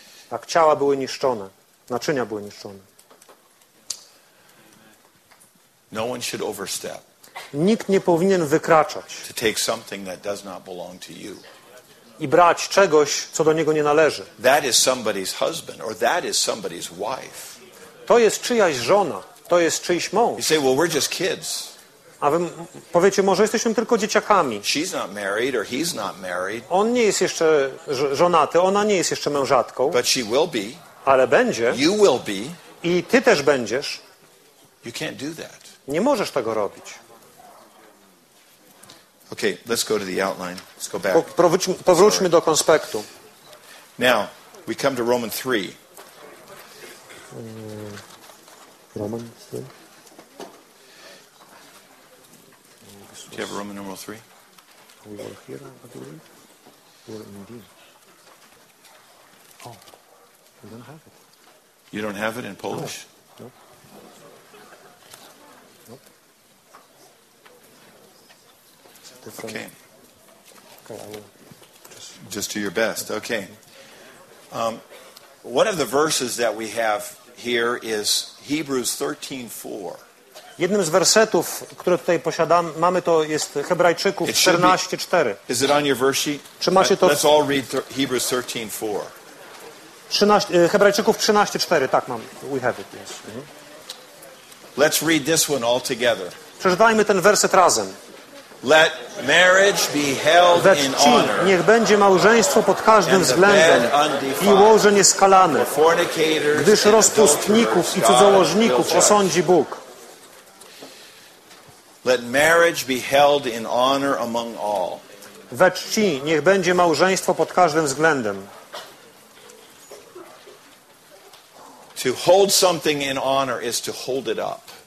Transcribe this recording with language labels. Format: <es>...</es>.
<pl>Tak ciała były niszczone, naczynia były niszczone.</pl> <en>No one should overstep.</en> <pl>Nikt nie powinien wykraczać.</pl> <en>To take something that does not belong to you.</en> <pl>I brać czegoś, co do niego nie należy.</pl> <en>That is somebody's husband, or that is somebody's wife.</en> <pl>To jest czyjaś żona, to jest czyjś mąż.</pl> <en>You say, well, we're just kids.</en> <pl>A wy powiecie, może jesteśmy tylko dzieciakami.</pl> <en>She's not married, or he's not married.</en> <pl>On nie jest jeszcze żonaty, ona nie jest jeszcze mężatką.</pl> <en>But she will be.</en> <pl>Ale będzie.</pl> <en>You will be.</en> <pl>I ty też będziesz.</pl> <en>You can't do that.</en> <pl>Nie możesz tego robić.</pl> <en>Okay, let's go to the outline. Let's go back.</en> <pl>Powróćmy do konspektu.</pl> <en>Now, we come to Roman 3. Roman 3. Do you have a Roman numeral 3? We were here, I believe. We were in D. Oh, we don't have it. You don't have it in Polish? No. Nope. Okay. Okay, I will just do your best. Okay. One of the verses that we have here is Hebrews 13:4.</en> <pl>Jednym z wersetów, które tutaj posiadamy, mamy to jest Hebrajczyków 14:4.</pl> <en>Is it on your verse sheet?</en> <pl>Czy macie to?</pl> <en>Let's all read Hebrews 13:4.</en> <pl>Hebrajczyków 13:4, tak mam.</pl> <en>We have it. Yes. Mm-hmm. Let's read this one all together.</en> <pl>Przeczytajmy ten werset razem.</pl> <en>Let marriage be held in honor.</en> <pl>Niech będzie małżeństwo pod każdym względem i łoże nieskalane, gdyż rozpustników i cudzołożników osądzi Bóg.</pl> <en>Let marriage be held in honor among all.</en> <pl>We czci, niech będzie małżeństwo pod każdym względem.</pl> <en>To hold something in honor is to hold it up.</en>